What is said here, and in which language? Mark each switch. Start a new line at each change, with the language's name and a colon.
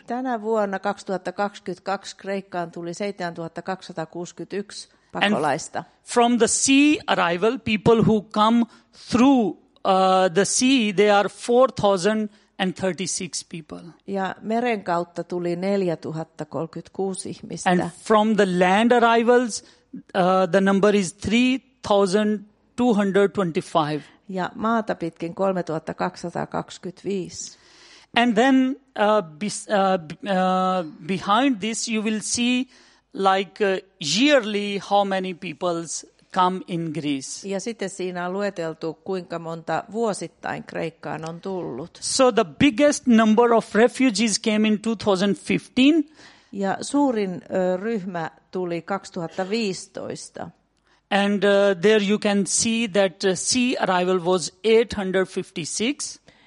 Finnish: Tänä vuonna 2022 Kreikkaan tuli 7,261 pakolaista.
English: And from the sea arrival, people who come through the sea, they are 4,036 people.
Finnish: Ja meren kautta tuli 4,036 ihmistä.
English: And from the land arrivals, the number is 3,225.
Finnish: Ja maata pitkin 3,225.
English: And then behind this you will see like yearly how many peoples come in Greece.
Finnish: Ja sitten siinä on lueteltu kuinka monta vuosittain Kreikkaan on tullut.
English: So the biggest number of refugees came in 2015.
Finnish: Ja suurin ryhmä tuli 2015.
English: And there you can see that sea arrival was 856.